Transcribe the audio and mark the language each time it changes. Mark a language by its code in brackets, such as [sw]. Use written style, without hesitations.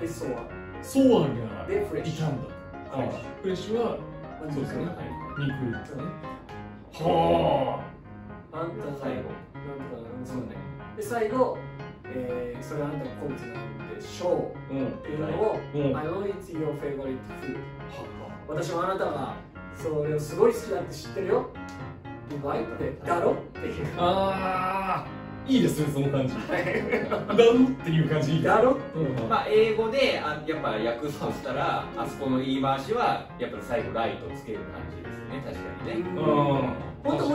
[ja] で、傷んだ、で、sore。 sore にはで、フレッシュ。傷んだ、フレッシュ。フレッシュは、まあ、そうですね、はい、肉ですね。はぁ、あんた最後なんとか、うん、そうね。で、最後、それはあんたの好物なんでしょう、うん、っていうのを、は [en] い、うん、I know it's your favorite food。 [ja] 私はあなたがそう、でもすごい好きだって知ってるよ。うまいって、だろっていう。あいいですね、その感じ。だろっていう感じ。だろ、うん、まあ、英語で、やっぱ訳そうしたら、あそこの言い回しは、やっぱり最後ライトをつける感じですね、確かにね。